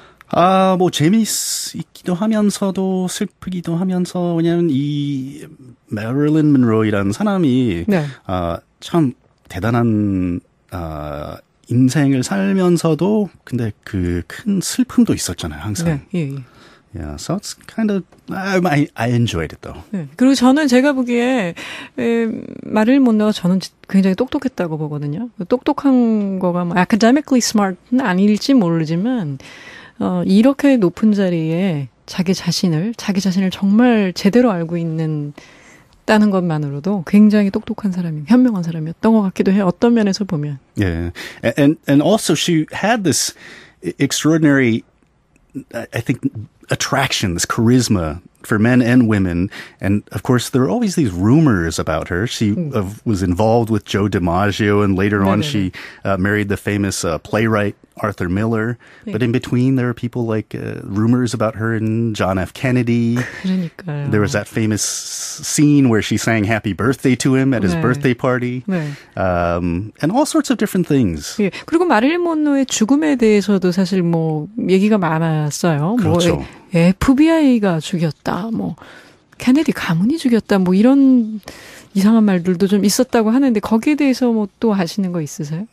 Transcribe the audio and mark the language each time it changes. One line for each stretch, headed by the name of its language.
Korean: 아, 뭐 재미있기도 하면서도 슬프기도 하면서 왜냐하면 이 마릴린 먼로이라는 사람이 네. 참 대단한 인생을 살면서도 근데 그 큰 슬픔도 있었잖아요 항상. 네, 예, 예.
English: Yeah, so it's kind of I enjoyed it though.
Korean: 네, 그리고 저는 제가 보기에 마릴린 먼로가 저는 굉장히 똑똑했다고 보거든요. 똑똑한 거가 뭐
English: academically smart
Korean: 는 아닐지 모르지만 이렇게 높은 자리에 자기 자신을 정말 제대로 알고 있는. 다는 것만으로도 굉장히 똑똑한 사람이 현명한 사람이었던 것 같기도 해요. 어떤 면에서 보면.
English: Yeah, and also she had this extraordinary, I think, attraction, this charisma for men and women. And of course, there are always these rumors about her. She was involved with Joe DiMaggio, and later on, 네네. she married the famous playwright Arthur Miller. 네. But in between, there are people like rumors about her and John F. Kennedy.
Korean: 그러니까요.
English: There was that famous scene where she sang happy birthday to him at 네. his birthday party.
Korean: 네.
English: And all sorts of different things.
Korean: 예. 그리고 마릴린 먼로의 죽음에 대해서도 사실 뭐 얘기가 많았어요. 그렇죠. 뭐 FBI가 죽였다. 뭐 케네디 가문이 죽였다. 뭐 이런 이상한 말들도 좀 있었다고 하는데 거기에 대해서 뭐 또 아시는 거 있으세요?